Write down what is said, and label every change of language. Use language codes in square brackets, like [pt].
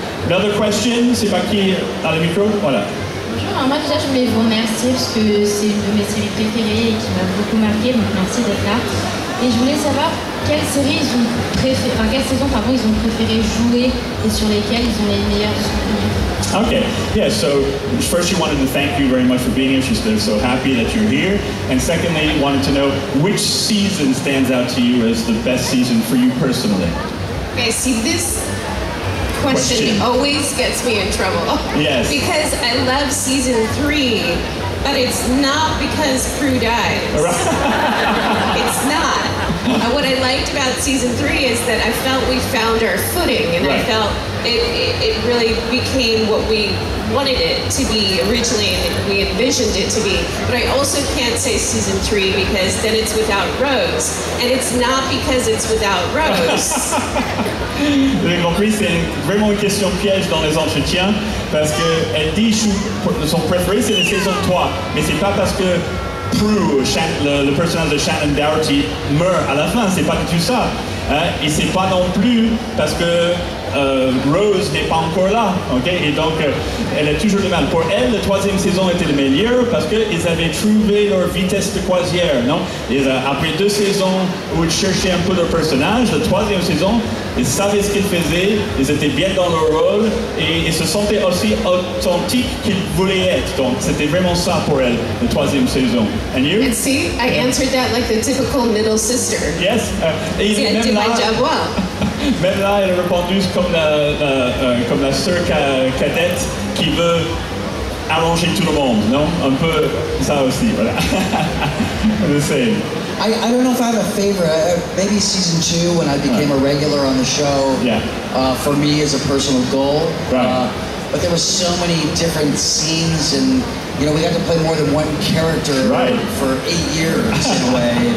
[en] Another question, [fr] c'est pas qui a le micro, voilà. Bonjour, alors moi déjà je voulais vous remercier parce que c'est une de mes séries préférées et qui m'a beaucoup marqué, donc merci d'être là. Et je voulais savoir quelle série ils ont préféré, enfin quelle saison pardon, ils ont préféré jouer et sur lesquelles ils ont les meilleurs souvenirs. [en] Okay, yeah, so first she wanted to thank you very much for being here. She's been so happy that you're here. And secondly, wanted to know which season stands out to you as the best season for you personally. Okay, see this question always gets me in trouble. Yes. Because I love season 3, but it's not because Prue dies. It's not. What I liked about season 3 is that I felt we found our footing, and I felt it really became what we wanted it to be originally, and we envisioned it to be. But I also can't say season 3 because then it's without Rose, and it's not because it's without Rose. [fr] Vous avez compris, c'est vraiment une question piège dans les entretiens, parce qu'elle dit que son préféré c'est la saison 3, mais c'est pas parce que Prue, le personnage de Shannon Doherty, meurt à la fin, c'est pas du tout ça. Et c'est pas non plus parce que Rose n'est pas encore là, ok? Et donc, elle est toujours de même. Pour elle, la troisième saison était la meilleure parce qu'ils avaient trouvé leur vitesse de croisière, non? Et, après deux saisons où ils cherchaient un peu leur personnage, la troisième saison, ils savaient ce qu'ils faisaient, ils étaient bien dans leur rôle et ils se sentaient aussi authentiques qu'ils voulaient être. Donc, c'était vraiment ça pour elle, la troisième saison. [en] And you? And see, I answered that like the typical middle sister. Yes. See, I did my job well. [fr] Même là, elle a répondu comme la sœur cadette qui veut arranger tout le monde, non? Un peu ça aussi, voilà. [en] The same. I don't know if I have a favorite. Maybe season 2 when I became a regular on the show. Yeah. For me as a personal goal. Right. But there were so many different scenes, and you know, we got to play more than one character for 8 years in a way.